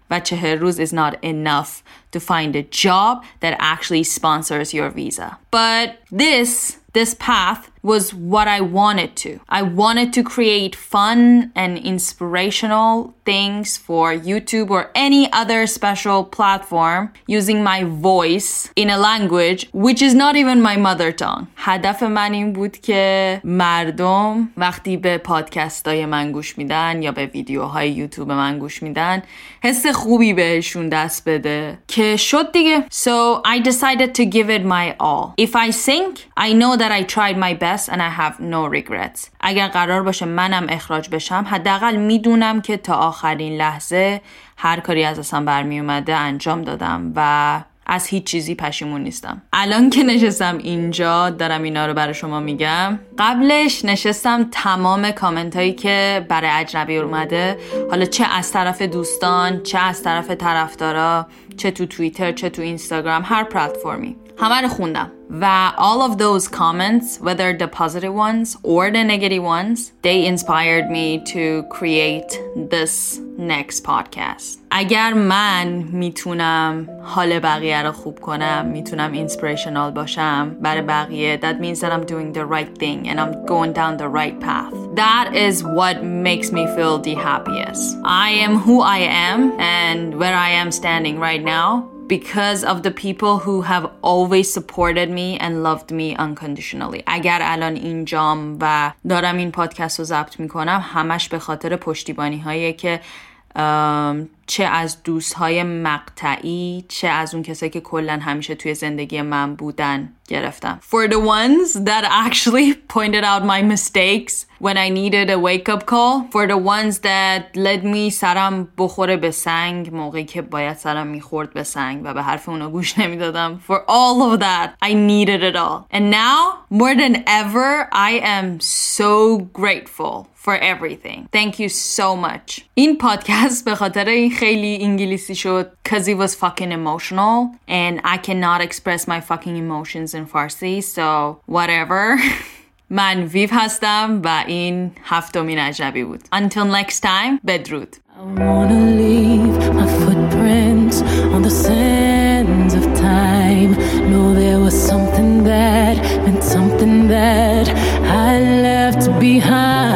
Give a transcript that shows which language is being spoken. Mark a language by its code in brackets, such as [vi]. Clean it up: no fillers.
[fa] و 40 روز [en] is not enough to find a job that actually sponsors your visa. But this path was what I wanted to. I wanted to create fun and inspirational things for YouTube or any other special platform using my voice in a language which is not even my mother tongue. [fa] هدف من این بود که مردم وقتی به پادکست‌های من گوش میدن یا به ویدیوهای یوتیوب من گوش میدن حس خوبی بهشون دست بده که شد دیگه. [en] So I decided to give it my all. If I sink, I know that I tried my best and I have no regrets. [fa] اگر قرار باشه منم اخراج بشم حداقل میدونم که تا آخرین لحظه هر کاری از اصلا برمی اومده انجام دادم و از هیچ چیزی پشیمون نیستم. الان که نشستم اینجا دارم اینا رو برای شما میگم. قبلش نشستم تمام کامنت هایی که برای اجنبی اومده، حالا چه از طرف دوستان، چه از طرف طرفدارا، چه تو توییتر، چه تو اینستاگرام، هر پلتفرمی، همه رو خوندم. [en] و all of those comments, whether the positive ones or the negative ones, they inspired me to create this next podcast. [fa] اگر من میتونم حال بقیه رو خوب کنم، میتونم inspirational باشم برای بقیه, [en] that means that I'm doing the right thing and I'm going down the right path. That is what makes me feel the happiest. I am who I am and where I am standing right now because of the people who have always supported me and loved me unconditionally. [fa] اگر الان اینجام و دارم این پادکست رو ضبط میکنم همش به خاطر پشتیبانی هایی که چه از دوست های مقطعی چه از اون کسایی که کلن همیشه توی زندگی من بودن گرفتم. [en] For the ones that actually pointed out my mistakes when I needed a wake up call, for the ones that let me [fa] سرم بخوره به سنگ موقعی که باید سرم میخورد به سنگ و به حرف اونا گوش نمیدادم, [en] for all of that I needed it all. And now more than ever I am so grateful for everything. Thank you so much. [fa] این پادکست به خاطر این خیلی انگلیسی شد because [en] it was fucking emotional and I cannot express my fucking emotions in Farsi, so whatever. [fa] من ویف هستم و این هفتمین عجبی بود. [en] Until next time, بدرود. I wanna leave my footprints on the sands of time. No, there was something that meant something that I left behind.